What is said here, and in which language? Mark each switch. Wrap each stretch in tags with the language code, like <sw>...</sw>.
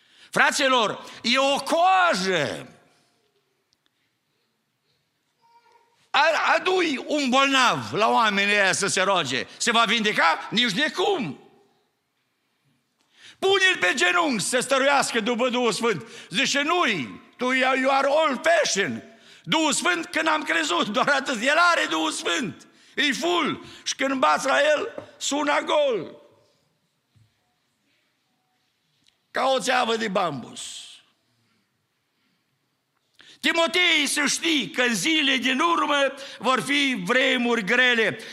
<ro>Fraților, e o cojă. Adui un bolnav la oamenii ăia să se roage. Se va vindeca? Nici de cum. Pune-l pe genunchi să stăruiască după Duhul Sfânt. Zice, nu-i, tu,</ro> <en>you are old fashion.</en> <ro>Duhul Sfânt, când am crezut, doar atât. El are Duhul Sfânt. E full. Și când bați la el, sună gol. Ca o țeavă de bambus. Timotei să știi că zile din urmă vor fi vremuri grele.</ro>